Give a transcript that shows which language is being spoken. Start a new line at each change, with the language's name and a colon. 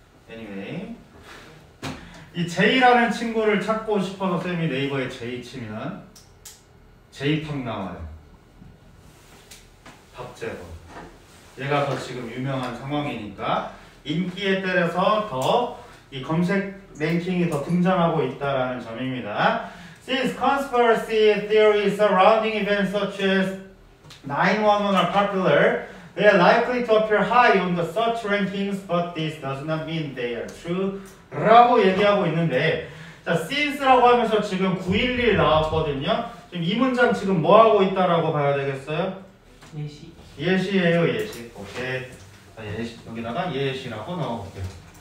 Korean: Anyway 이 제이라는 친구를 찾고 싶어서 쌤이 네이버에 제이 치면 제이팍 나와요. 박재범. 얘가 더 지금 유명한 상황이니까 인기에 따라서 더 이 검색 랭킹이 더 등장하고 있다라는 점입니다.
English: Since conspiracy theories surrounding events such as 9-1-1 are popular, they are likely to appear high on the search rankings, but this does not mean they are true.
Korean: 라고 얘기하고 있는데 자 since라고 하면서 지금 9.11 나왔거든요. 지금 이 문장 지금 뭐하고 있다라고 봐야 되겠어요? 예시. 예시예요. 예시. 오케이. 자, 예시. 여기다가 예시라고 넣어볼게요.